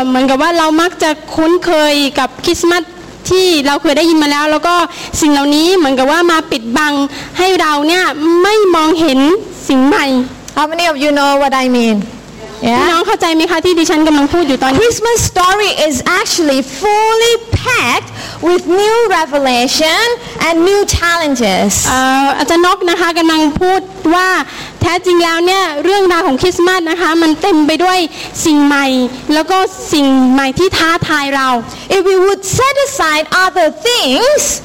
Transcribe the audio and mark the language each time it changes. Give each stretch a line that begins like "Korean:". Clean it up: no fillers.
Thai: เหมือนกับว่าเรามักจะคุ้นเคยกับคริสต์มาสที่เราเคยได้ยินมาแล้วแล้วก็สิ่งเหล่านี้เหมือนกับว่ามาปิดบังให้เราเนี่ยไม่มองเห็นสิ่งใหม่
English: How many of you know what I mean
Thai: Yeah น้องเข้าใจมั้ยคะที่ดิฉันกําลังพูดอยู่ตอนนี้
English: Christmas story is actually fully packed with new revelation and new challenges
Thai: อาจารย์นกนะคะกําลังพูดว่าแท้จริงแล้วเนี่ยเรื่องราวของคริสต์มาสนะคะมันเต็มไปด้วยสิ่งใหม่แล้วก็สิ่งใหม่ที่ท้าทายเรา
English: If we would set aside other things